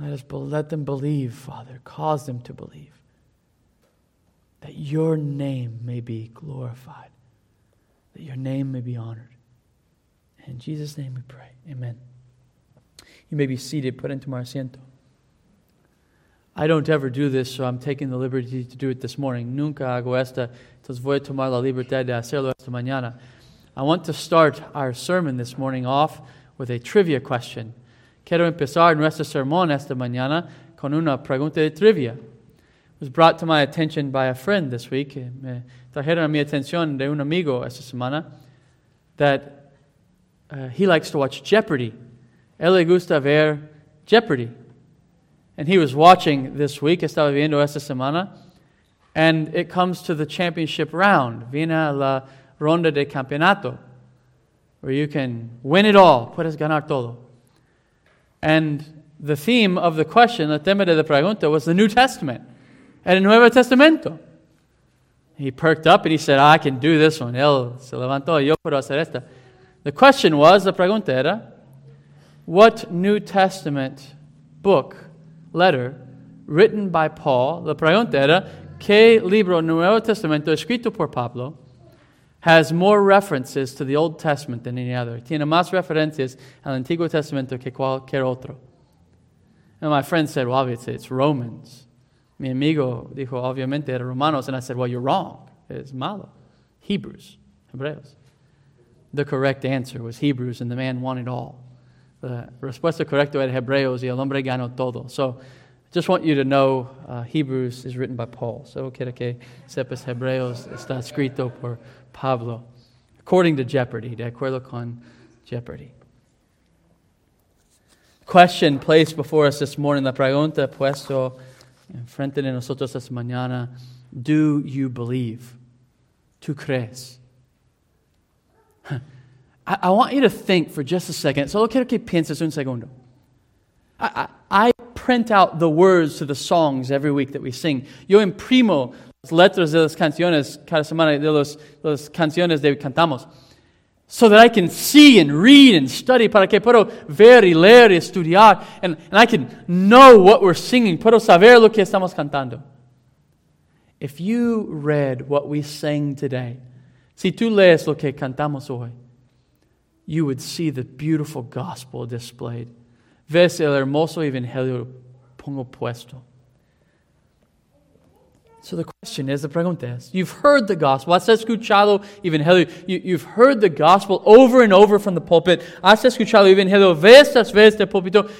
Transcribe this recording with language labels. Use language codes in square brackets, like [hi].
[en] Let them believe, Father. Cause them to believe that your name may be glorified, that your name may be honored. In Jesus' name we pray. Amen. You may be seated. Put into [es] mi asiento. [en] I don't ever do this, so I'm taking the liberty to do it this morning. [es] Nunca hago esta, entonces voy a tomar la libertad de hacerlo esta mañana. [en] I want to start our sermon this morning off with a trivia question. [es] Quiero empezar nuestro sermón esta mañana con una pregunta de trivia. [en] It was brought to my attention by a friend this week. [es] Me trajeron a mi atención de un amigo esta semana [en] that he likes to watch Jeopardy. [es] Él le gusta ver Jeopardy. [en] And he was watching this week, [es] estaba viendo esta semana, [en] and it comes to the championship round, [es] viene la ronda de campeonato, [en] where you can win it all, [es] puedes ganar todo. [en] And the theme of the question, [es] el tema de la pregunta, [en] was the New Testament, [es] el Nuevo Testamento. [en] He perked up and he said, I can do this one. [es] Él se levantó, yo puedo hacer esta. [en] The question was, [es] la pregunta era, [en] what New Testament book, letter, written by Paul, la pregunta era, [es] ¿qué libro Nuevo Testamento escrito por Pablo [en] has more references to the Old Testament than any other? [es] Tiene más referencias al Antiguo Testamento que cualquier otro. [en] And my friend said, well, obviously it's Romans. [es] Mi amigo dijo, obviamente era Romanos. [en] And I said, well, you're wrong. It's malo. Hebrews, Hebreos. The correct answer was Hebrews, and the man wanted all. [es] The respuesta correcta era Hebreos y el hombre ganó todo. [en] So, just want you to know Hebrews is written by Paul. [es] So, quiero que sepas Hebreos está escrito por Pablo. [en] According to Jeopardy, [es] de acuerdo con Jeopardy. [en] Question placed before us this morning, [es] la pregunta puesto en frente de nosotros esta mañana, [en] do you believe? [es] ¿Tú crees? [en] I want you to think for just a second. [es] Solo quiero que pienses un segundo. [en] I print out the words to the songs every week that we sing. [es] Yo imprimo las letras de las canciones cada semana de las canciones que cantamos [en] so that I can see and read and study [es] para que puedo ver y leer y estudiar [en] and I can know what we're singing. [es] Puedo saber lo que estamos cantando. [en] If you read what we sang today, [es] si tú lees lo que cantamos hoy, [en] you would see the beautiful gospel displayed. [es] Ves el hermoso evangelio pongo puesto. [en] So the question is, the pregunta es, you've heard the gospel. [es] Has escuchado evangelio. [en] You've heard the gospel over and over from the pulpit. [es] Has escuchado evangelio vez tras vez del pulpito.